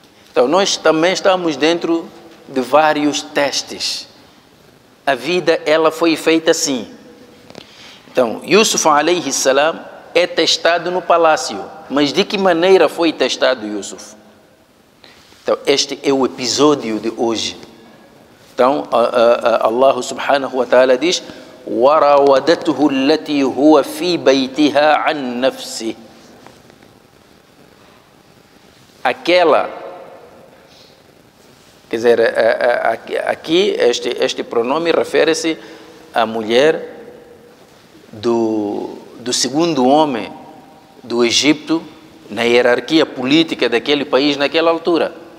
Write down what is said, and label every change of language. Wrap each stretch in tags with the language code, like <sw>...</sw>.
<pt>Então, nós também estamos dentro de vários testes. A vida, ela foi feita assim. Então, Yusuf, alayhi salam, é testado no palácio. Mas de que maneira foi testado Yusuf? Então, este é o episódio de hoje. Então, Allah subhanahu wa ta'ala diz:</pt> <ar>وَرَوَدَتْهُ الَّتِي هُوَ فِي بَيْتِهَا عَنْ نَفْسِهِ.</ar> <pt>Aquela, quer dizer, aqui este pronome refere-se à mulher do segundo homem do Egito na hierarquia política daquele país naquela altura.</pt>